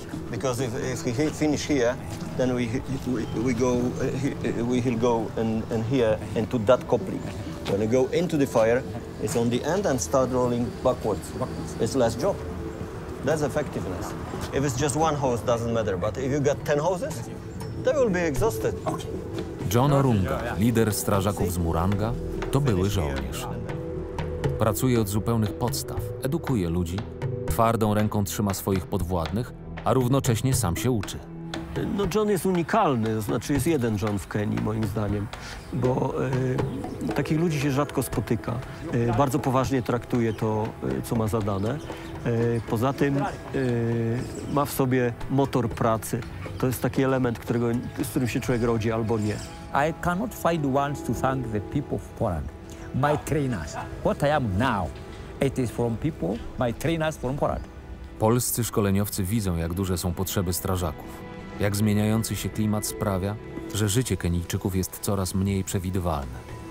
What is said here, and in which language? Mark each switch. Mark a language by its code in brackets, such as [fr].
[en] Because if he finish here, then he'll go and here into that coupling. When he go into the fire, it's on the end and start rolling backwards. It's less job. That's effectiveness. If it's just one hose, doesn't matter. But if you got 10 hoses, they will be exhausted. [pl] John Orunga, lider strażaków z Muranga, to były żołnierz. Pracuje od zupełnych podstaw, edukuje ludzi, twardą ręką trzyma swoich podwładnych, a równocześnie sam się uczy. No John jest unikalny, to znaczy jest jeden John w Kenii, moim zdaniem, bo takich ludzi się rzadko spotyka. Bardzo poważnie traktuje to, co ma zadane. Poza tym ma w sobie motor pracy. To jest taki element, którego, z którym się człowiek rodzi albo nie. [en] I cannot find words to thank the people of Poland, my trainers. What I am now, it is from people, my trainers from Poland. [pl] Polscy szkoleniowcy widzą, jak duże są potrzeby strażaków. Jak zmieniający się klimat sprawia, że życie Kenijczyków jest coraz mniej przewidywalne.